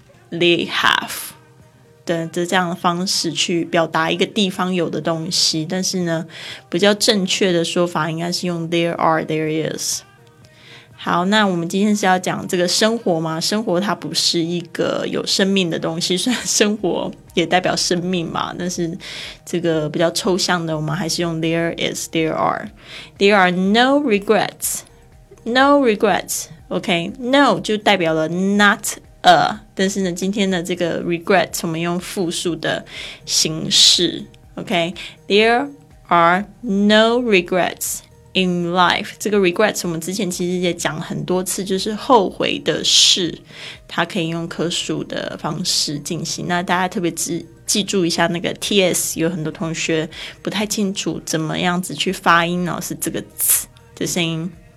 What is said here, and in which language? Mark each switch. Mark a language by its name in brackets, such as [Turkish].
[Chinese] they have 的这样的方式去表达一个地方有的东西，但是呢比较正确的说法应该是用 there are there is。好，那我们今天是要讲这个生活吗？生活它不是一个有生命的东西，虽然生活也代表生命嘛，但是这个比较抽象的我们还是用 there is, there are。 [English] There are no regrets, no regrets, OK, no 就代表了 not a， [Chinese] 但是呢今天的这个 [English] regrets [Chinese] 我们用复数的形式， [English] OK, there are no regrets in life。 [Chinese] 这个 regrets 我们之前其实也讲很多次，就是后悔的事，它可以用可数的方式进行，那大家特别记住一下那个 TS， 有很多同学不太清楚怎么样子去发音哦，是这个词的声音。